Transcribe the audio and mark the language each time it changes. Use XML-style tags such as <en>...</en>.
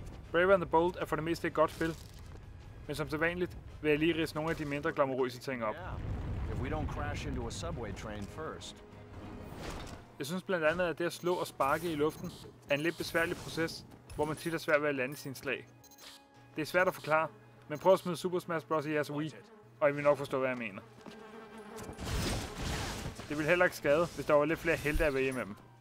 <da>Brave and the Bold er for det meste et godt spil, men som sædvanligt vil jeg lige ridse nogle af de mindre glamourøse ting op.</da> <en>If we don't crash into a subway train first.</en> <da>Jeg synes blandt andet, at det at slå og sparke i luften er en lidt besværlig proces, hvor man tit er svært ved at lande sine slag. Det er svært at forklare, men prøv at smide Super Smash Bros. I jeres Wii, og I vil nok forstå, hvad jeg mener. Det ville heller ikke skade, hvis der var lidt flere helte at vælge imellem.</da>